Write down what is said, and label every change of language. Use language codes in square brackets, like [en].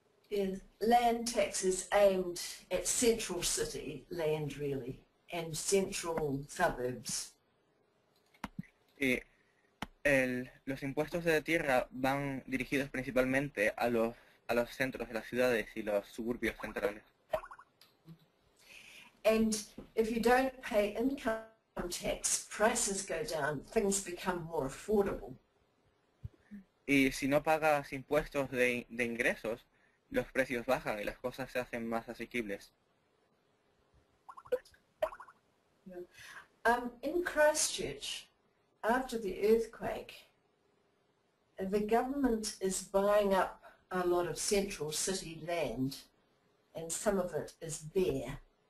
[en] is land taxes aimed at central city land, really, and central suburbs. [es] Los impuestos de tierra van dirigidos principalmente a los centros de las ciudades y los suburbios centrales. [en] And if you don't pay income tax, prices go down, things become more affordable. [es] Y si no pagas impuestos de ingresos, los precios bajan y las cosas se hacen más asequibles. [en] Yeah. In Christchurch, after the earthquake, the government is buying up a lot of central city land, and some of it is bare.